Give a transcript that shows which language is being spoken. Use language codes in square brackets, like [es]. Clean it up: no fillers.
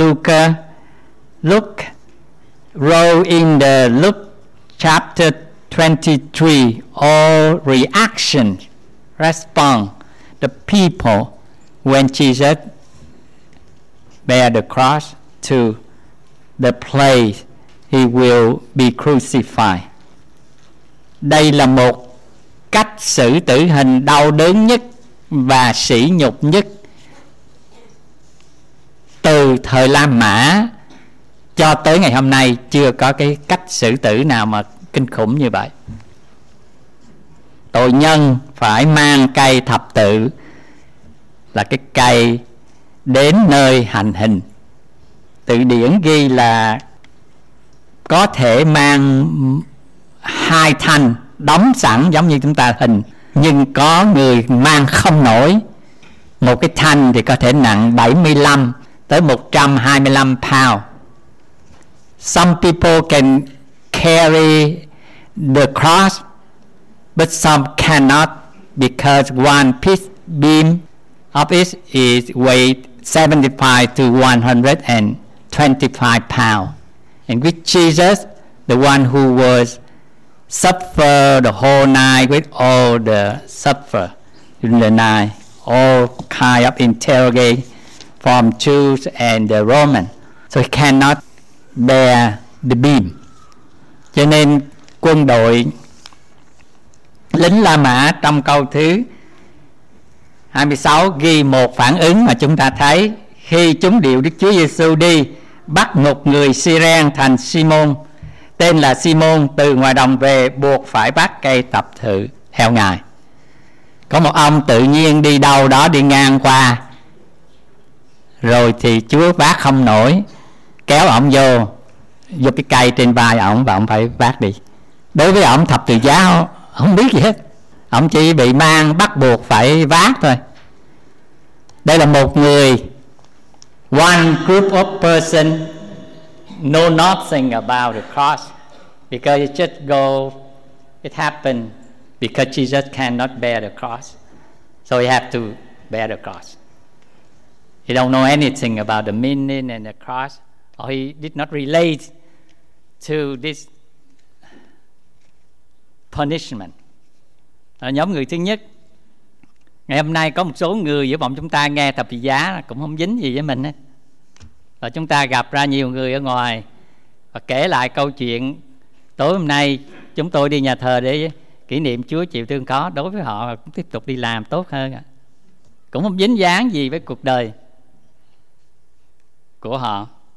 [en] Luca Luke wrote in the Luke chapter 23 all reaction response the people when Jesus bear the cross to the place he will be crucified. [vi] Đây là một cách xử tử hình đau đớn nhất và sỉ nhục nhất từ thời La Mã cho tới ngày hôm nay, chưa có cái cách xử tử nào mà kinh khủng như vậy. Tội nhân phải mang cây thập tự, là cái cây đến nơi hành hình. Tự điển ghi là có thể mang hai thanh đóng sẵn giống như chúng ta hình, nhưng có người mang không nổi. Một cái thanh thì có thể nặng 75 tới 125 pound. [en] Some people can carry the cross, but some cannot because one piece beam of it is weighed 75 to 125 pounds. And with Jesus, the one who was suffer the whole night with all the suffer during the night, all kind of interrogate from Jews and the Roman, so he cannot bear the beam. [vi] Cho nên quân đội lính La Mã trong câu thứ 26 ghi một phản ứng mà chúng ta thấy khi chúng điều Đức Chúa Giêsu đi bắt một người Syrian thành Simon, tên là Simon, từ ngoài đồng về buộc phải bắt cây tập thự theo ngài. Có một ông tự nhiên đi đâu đó đi ngang qua, rồi thì Chúa vác không nổi, kéo ông vô vô cái cây trên vai ông và ông phải vác đi. Đối với ông thập tự giá không biết gì hết, ông chỉ bị mang bắt buộc phải vác thôi. Đây là một người, [en] one group of person know nothing about the cross because it just go, it happened because Jesus cannot bear the cross, so he have to bear the cross. He don't know anything about the meaning and the cross, or he did not relate to this punishment. [vi] Là nhóm người thứ nhất. Ngày hôm nay có một số người giữa bọn chúng ta nghe thập tự giá cũng không dính gì với mình ấy. Và chúng ta gặp ra nhiều người ở ngoài và kể lại câu chuyện tối hôm nay chúng tôi đi nhà thờ để kỷ niệm Chúa chịu thương khó, đối với họ cũng tiếp tục đi làm tốt hơn, cũng không dính dáng gì với cuộc đời của họ.